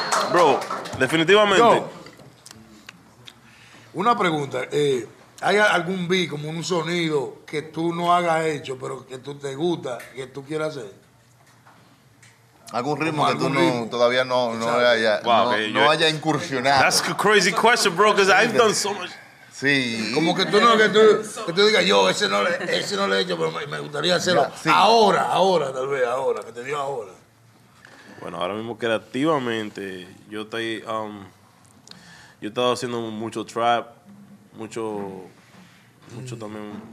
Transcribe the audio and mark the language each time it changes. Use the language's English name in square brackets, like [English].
[Spanish] Bro, definitivamente. Una pregunta, ¿hay algún beat, como un sonido que tú no hagas hecho, pero que tú te gusta, que tú quieras hacer? ¿Algún ritmo que tú todavía no haya incursionado? [English] That's a crazy question, bro, because I've done so much. [Spanish] Sí. Como que tú no, que tú digas, yo, ese no le he hecho, pero me gustaría hacerlo. Ya, sí. Ahora, que te dio ahora. Bueno, ahora mismo creativamente, yo estaba haciendo mucho trap, mucho también.